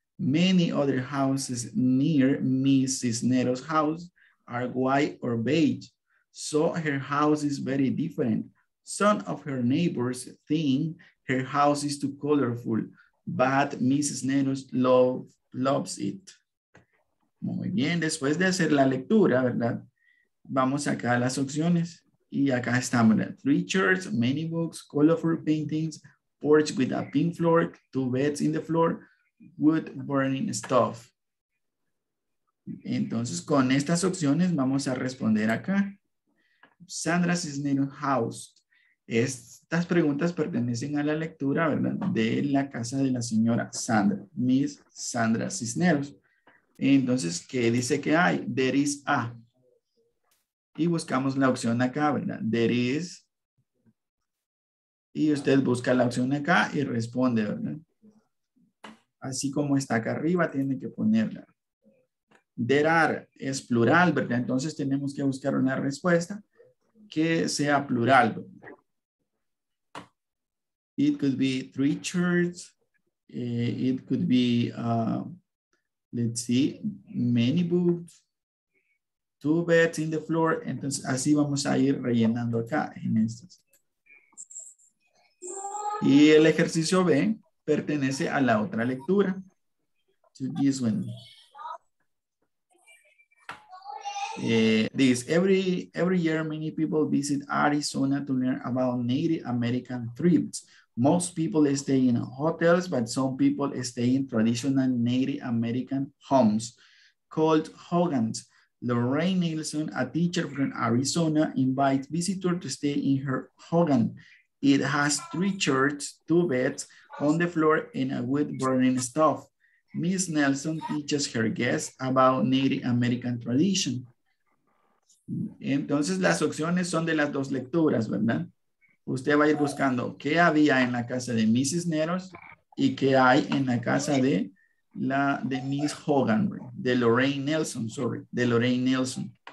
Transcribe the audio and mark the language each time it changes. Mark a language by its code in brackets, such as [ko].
[en] Many other houses near Miss Cisneros' house are white or beige. So her house is very different. Some of her neighbors think her house is too colorful, but Mrs. Neros loves it. [es] Muy bien, después de hacer la lectura, ¿verdad? Vamos acá a las opciones. Y acá están, ¿verdad? [en] Three chairs, many books, colorful paintings, porch with a pink floor, two beds in the floor, wood burning stuff. [es] Entonces, con estas opciones vamos a responder acá. Sandra Cisneros House. Estas preguntas pertenecen a la lectura, ¿verdad? De la casa de la señora Sandra, Miss Sandra Cisneros. Entonces, ¿qué dice que hay? [en] There is a. [es] Y buscamos la opción acá, ¿verdad? [en] There is. [es] Y usted busca la opción acá y responde, ¿verdad? Así como está acá arriba, tiene que ponerla. There are es plural, ¿verdad? Entonces, tenemos que buscar una respuesta que sea plural. [en] It could be three chairs. It could be, let's see, many books, two beds in the floor. [es] Entonces, así vamos a ir rellenando acá en estas. Y el ejercicio B pertenece a la otra lectura. [en] To this one. This every year many people visit Arizona to learn about Native American tribes. Most people stay in hotels, but some people stay in traditional Native American homes called hogans. Lorraine Nielsen, a teacher from Arizona, invites visitors to stay in her hogan. It has three chairs, two beds on the floor, and a wood burning stove. Miss Nelson teaches her guests about Native American tradition. [es] Entonces, las opciones son de las dos lecturas, ¿verdad? Usted va a ir buscando qué había en la casa de Mrs. Cisneros y qué hay en la casa de la de Miss Hogan, de Lorraine Nelson, sorry, de Lorraine Nelson.